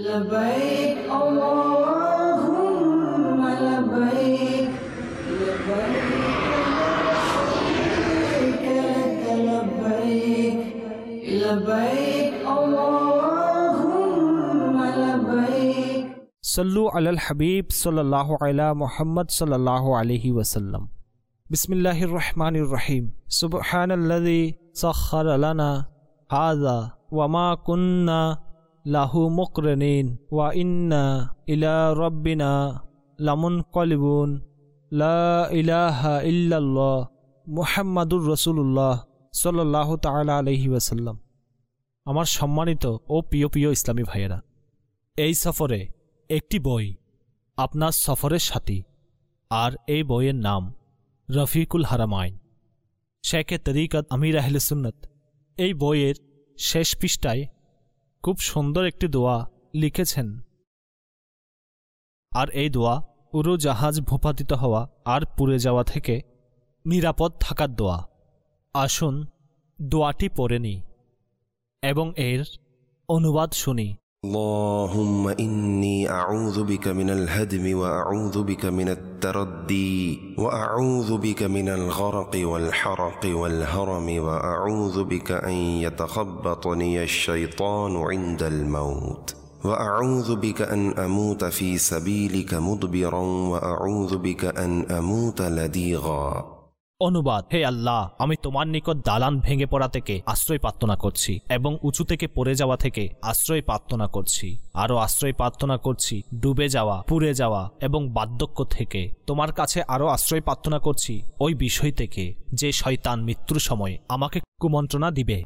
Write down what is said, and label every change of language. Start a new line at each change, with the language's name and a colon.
Arabic: লাবাইক আল্লাহুম্মা লাবাইক লাবাইক লাবাইক আল্লাহুম্মা লাবাইক সাল্লু আলাল হাবিব সাল্লাল্লাহু আলা মুহাম্মদ সাল্লাল্লাহু আলাইহি ওয়াসাল্লাম। بسم الله الرحمن الرحيم سبحان الذي سخر لنا هذا وما كنا له مقرنين وإنا إلى ربنا لمنقلبون لا إله إلا الله محمد رسول الله صلى الله تعالى عليه وسلم
Bangla: আমার সম্মানিত ও প্রিয় প্রিয় ইসলামী ভাইয়েরা, এই সফরে একটি বই আপনার সফরের সাথী, আর এই বইয়ের নাম রফিকুল হারামাইন, শেখে তরিকত আমির আহলে সুন্নত। এই বইয়ের শেষ পৃষ্ঠায় খুব সুন্দর একটি দোয়া লিখেছেন, আর এই দোয়া উড়োজাহাজ ভূপাতিত হওয়া আর পুড়ে যাওয়া থেকে নিরাপদ থাকার দোয়া। আসুন দোয়াটি পড়ে নি এবং এর অনুবাদ শুনি।
Arabic: اللهم إني أعوذ بك من الهدم وأعوذ بك من التردي وأعوذ بك من الغرق والحرق والهرم وأعوذ بك أن يتخبطني الشيطان عند الموت وأعوذ بك أن أموت في سبيلك مدبرا وأعوذ بك أن أموت لدیغا
Bangla: অনুবাদ। হে আল্লাহ, আমি তোমার নিকট দালান ভেঙে পড়া থেকে আশ্রয় প্রার্থনা করছি এবং উঁচু থেকে পড়ে যাওয়া থেকে আশ্রয় প্রার্থনা করছি। আরও আশ্রয় প্রার্থনা করছি ডুবে যাওয়া, পুড়ে যাওয়া এবং বার্ধক্য থেকে। তোমার কাছে আরও আশ্রয় প্রার্থনা করছি ওই বিষয় থেকে যে শয়তান মৃত্যু সময় আমাকে কুমন্ত্রণা দিবে।